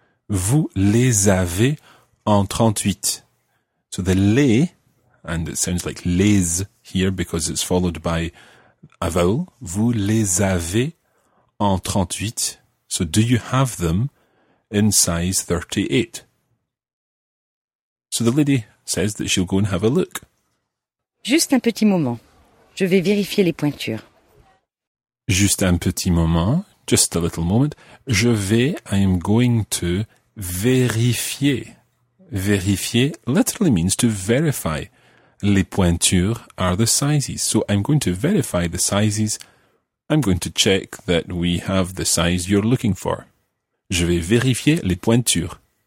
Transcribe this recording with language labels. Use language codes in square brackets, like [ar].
[fr] Vous les avez en 38. [en] So the les, and it sounds like les here because it's followed by a vowel. [fr] Vous les avez en 38. [en] So do you have them in size 38? So the lady says that she'll go and have a look. [fr] Juste un petit moment. Je vais vérifier les pointures. Juste un petit moment. [en] Just a little moment. [fr] Je vais, [en] I am going to, [fr] vérifier. [en] Vérifier literally means to verify. [fr] Les pointures [en] are the sizes. So I'm going to verify the sizes. I'm going to check that we have the size you're looking for. [fr] Je vais vérifier les pointures.